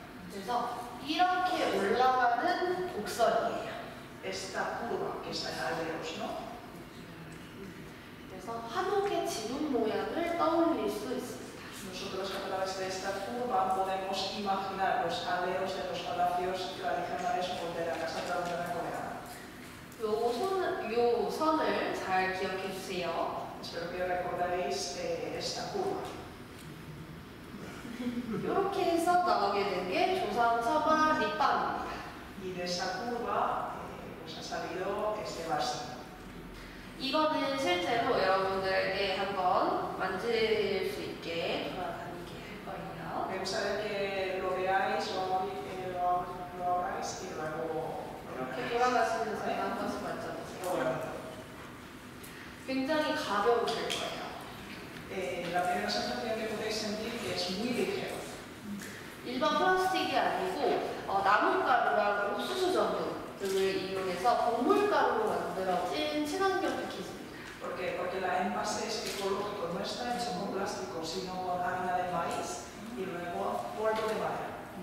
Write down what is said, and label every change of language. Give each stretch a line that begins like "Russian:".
Korean: 그래서 이렇게 올라가는 곡선이에요.
Spanish: Esta curva que está en aleros, ¿no?
Korean: 그래서 한옥의 지붕 모양을 떠올릴 수 있습니다.
Spanish: Nosotros a través de esta curva podemos imaginar los aleros de los palacios tradicionales o de la casa tradicional coreana.
Korean: 요 선을 잘 기억해 주세요.
Spanish: Espero que recordaréis esta curva.
Korean: 이렇게 해서 나오게 된 게 조선 처마 립밤입니다.
Spanish: Y de esa curva pues ha salido este vaso.
Korean: 이거는 실제로 여러분들에게 한번 만질 수 있게 돌아다니게 할 거예요.
Spanish: Me gustaría que lo veáis, lo abráis y luego.
Korean: 이렇게 돌아가시는 사람 한 번씩 만져보세요. 굉장히 가벼우실 거예요.
Spanish: La primera sensación que podéis sentir que es muy ligero.
Korean: 일반 플라스틱이 아니고 나뭇가루랑 우수수 정도를 이용해서 동물가루로 만들어진 친환경 패키지입니다.
Spanish: Porque la envase es ecológico, no está hecho con plástico, sino con harina de maíz y luego polvo de madera.